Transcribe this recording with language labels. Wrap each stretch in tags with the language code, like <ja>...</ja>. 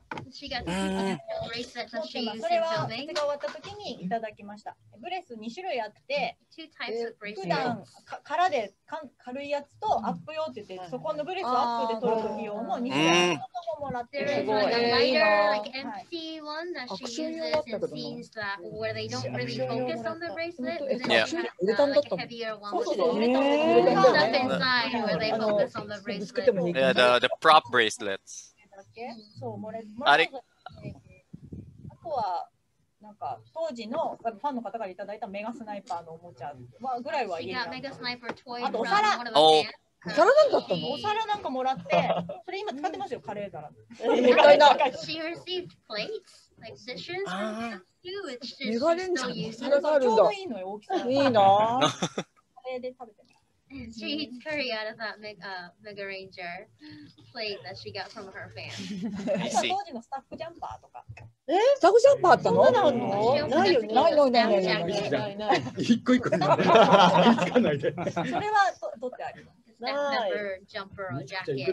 <en>She got the bracelet that she used in filming.</en> <ja>それは私が終わった時にいただきました。ブレス2種類あって、</ja> <en>Two types of bracelets.</en> <ja>普段空で軽いやつとアップ用って言って、そこのブレスをアップで撮る時用の2種類ももらって</ja> <en>There is a lighter, like empty one that she uses in scenes that where they don't really focus on the bracelet. Yeah. Like a heavier one.</en> <ja>そうそうそう。</ja> <en>Stuff inside where they focus on the bracelet. Yeah, the prop bracelets.</en> <ja>そう、あれ、あとはなんか当時のファンの方からいただいたメガスナイパーのおもちゃはぐらいは家にあった。あとお皿、お皿なんだったの。お皿なんかもらって、それ今使ってますよ、カレー皿。意外な。</ja> <en>She received plates, like dishes, too, which is still using.</en> <ja>ちょうどいいのよ、大きさ。いいな。カレーで食べて。</ja> <en>She eats curry out of that Mega Ranger plate that she got from her fan.</en> <ja>当時のスタッフジャンパーとか。え、スタッフジャンパーあったの？そうなの？ないよ、ないよ、ないよ、ないよ。一個一個。それは取ってある。ない。スタッフジャンパーのジャケ</ja>